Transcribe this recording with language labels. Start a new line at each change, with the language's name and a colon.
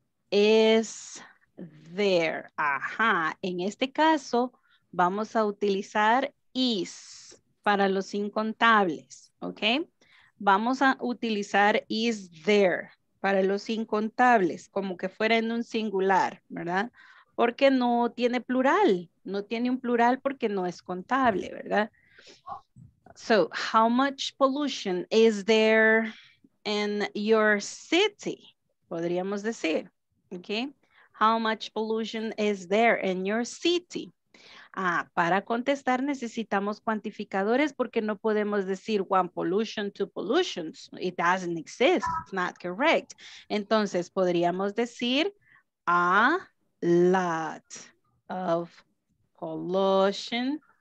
English: Is there?
Spanish: Ajá, en este caso vamos a utilizar is para los incontables, ¿ok? Vamos a utilizar
English: is there.
Spanish: Para los incontables, como que fuera en un singular, ¿verdad? Porque no tiene plural. No tiene un plural porque no es contable, ¿verdad?
English: So, how much pollution is there in your city?
Spanish: Podríamos decir,
English: ¿ok? How much pollution is there in your city?
Spanish: Ah, para contestar necesitamos cuantificadores porque no podemos decir
English: one pollution, two pollutions. It doesn't exist. It's not correct.
Spanish: Entonces podríamos decir
English: a lot of pollution.